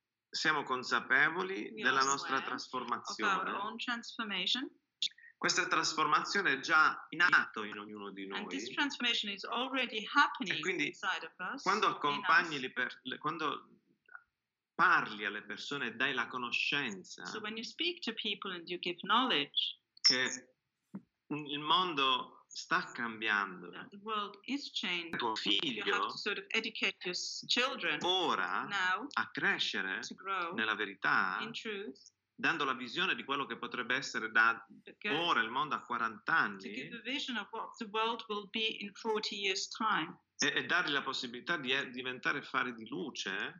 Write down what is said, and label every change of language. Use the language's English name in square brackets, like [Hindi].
[Italian] Siamo consapevoli della nostra trasformazione. Questa trasformazione è già in atto in ognuno di noi. [English] And this transformation is already happening inside of us. [Italian] Quando accompagni quando parli alle persone e dai la conoscenza. [English] So when you speak to people and you give knowledge, [Italian] che il mondo sta cambiando. [English] The world is changing. [Italian] Tuo figlio [English] sort of educate your children [Italian] ora [English] now [Italian] a crescere [English] to grow [Italian] nella verità, [English] in truth, [Italian] dando la visione di quello che potrebbe essere da ora il mondo a 40 anni. [English] To give a vision of what the world will be in 40 years time. [Italian] E dargli la possibilità di diventare fare di luce.